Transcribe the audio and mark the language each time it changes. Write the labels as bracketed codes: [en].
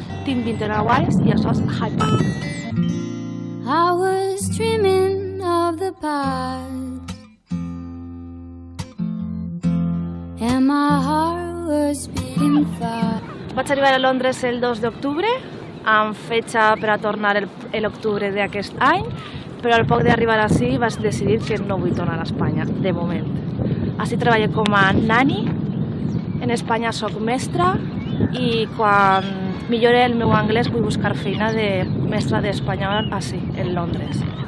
[ca] Tinc 29 anys i això és High Park. [en] I was dreaming of the past and my heart was beating fast. [ca] Vaig arribar a Londres el 2 d'octubre amb fecha per a tornar el octubre d'aquest any, però al poc d'arribar ací vaig decidir que no vull tornar a Espanya, de moment. Ací treballo com a nani, en Espanya sóc mestra i quan millore el meu anglès vull buscar feina de mestra d'espanyol ací, en Londres.